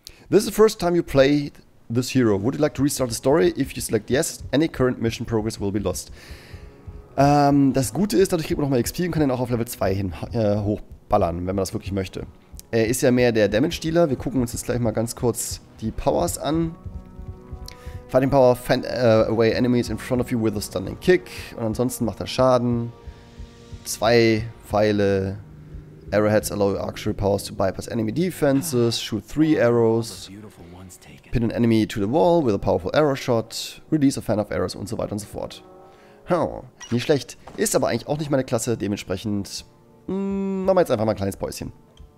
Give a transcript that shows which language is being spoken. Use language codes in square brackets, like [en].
[en] This is the first time you play this hero. Would you like to restart the story? If you select yes, any current mission progress will be lost. [de] Das Gute ist, dadurch kriegt man nochmal XP und kann den auch auf Level 2 hin hochballern, wenn man das wirklich möchte. Er ist ja mehr der Damage-Dealer. Wir gucken uns jetzt gleich mal ganz kurz die Powers an. [en] Fighting Power, fend away enemies in front of you with a stunning kick. [de] Und ansonsten macht er Schaden. 2 Pfeile. [en] Arrowheads allow archery powers to bypass enemy defenses. Shoot 3 arrows. Pin an enemy to the wall with a powerful arrow shot. Release a fan of arrows [de] und so weiter und so fort. Oh, nicht schlecht. Ist aber eigentlich auch nicht meine Klasse. Dementsprechend machen wir jetzt einfach mal ein kleines Päuschen.